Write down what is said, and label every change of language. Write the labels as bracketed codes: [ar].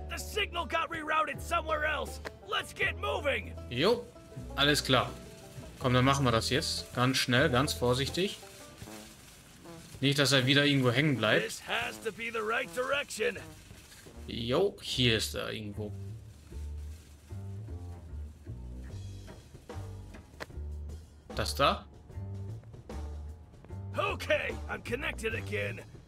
[en] The signal got rerouted somewhere else. Let's get moving. [de] Jo, alles klar. Komm, dann machen wir das jetzt. Ganz schnell, ganz vorsichtig. Nicht, dass er wieder irgendwo hängen bleibt. [en] This has to be the right direction. [de] Jo, hier ist er irgendwo. Das da? [en] Okay, I'm connected again.